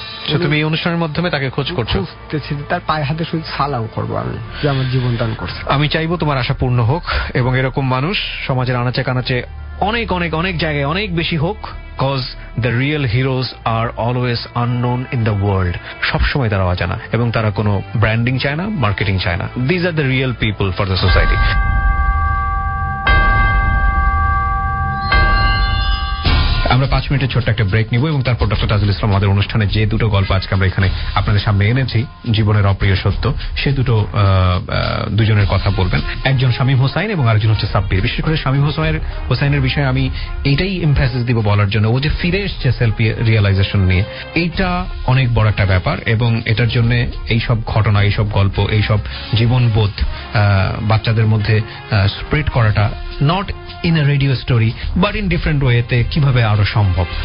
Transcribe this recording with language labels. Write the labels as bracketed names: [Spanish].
[Bangla] আচ্ছা, তুমি এই অনুষ্ঠানের মাধ্যমে তাকে খোঁজ করছো? তার পায়ে হাতে শুধু সালাম করবো আমি, যে আমার জীবন দান করছে। আমি চাইবো তোমার আশা পূর্ণ হোক এবং এরকম মানুষ সমাজের আনাচে কানাচে অনেক অনেক অনেক জায়গায় অনেক বেশি হোক। [English] Because the real heroes are always unknown in the world. [Bangla] সবসময় তারা অজানা এবং তারা কোনো ব্র্যান্ডিং চায় না, মার্কেটিং চায় না। [English] These are the real people for the society. [Bangla] আমরা পাঁচ মিনিটের ছোট্ট একটা ব্রেক নিব এবং তারপর ডক্টর তাজুল ইসলাম আমাদের অনুষ্ঠানে যে দুটো গল্প আজকে আমরা এখানে আপনাদের সামনে এনেছি, জীবনের অপ্রিয় সত্য, সে দুটো দুজনের কথা বলবেন। একজন শামীম হোসাইন এবং আরেকজন হচ্ছে সাব্বির। বিশেষ করে শামীম হোসাইনের বিষয়ে আমি এইটাই এমফাসিস দিব বলার জন্য, ও যে ফিরে এসছে সেলফ রিয়েলাইজেশন নিয়ে, এইটা অনেক বড় একটা ব্যাপার এবং এটার জন্য এইসব ঘটনা, এইসব গল্প, এইসব জীবনবোধ বাচ্চাদের মধ্যে স্প্রেড করাটা [English] not in a radio story but in different ওয়েতে [Bangla] কিভাবে আরো সম্ভব।